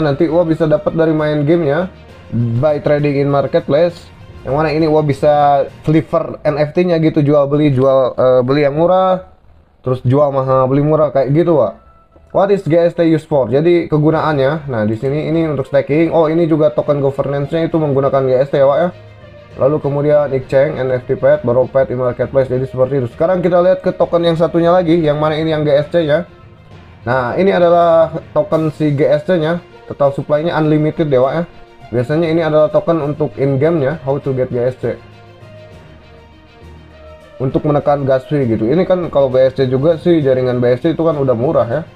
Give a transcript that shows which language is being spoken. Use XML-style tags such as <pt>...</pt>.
<id>Nanti Uwa bisa dapat dari main gamenya</id> <en>by trading in marketplace.</en> <id>Yang mana ini Uwa bisa deliver NFT-nya gitu, jual beli yang murah, terus jual mahal beli murah kayak gitu, Wak.</id> <en>What is GST used for?</en> <id>Jadi kegunaannya, nah di sini ini untuk staking. Oh, ini juga token governance-nya itu menggunakan GST ya, Wak ya. Lalu kemudian exchange, NFT pad, borrow pad in marketplace. Jadi seperti itu. Sekarang kita lihat ke token yang satunya lagi, yang mana ini yang GST ya. Nah, ini adalah token si GST-nya. Total supply-nya unlimited ya, Wak ya. Biasanya ini adalah token untuk in game-nya,</id> <en>how to get GST.</en> <id>untuk menekan gas fee gitu. Ini kan kalau BSC juga sih, jaringan BSC itu kan udah murah ya.</id>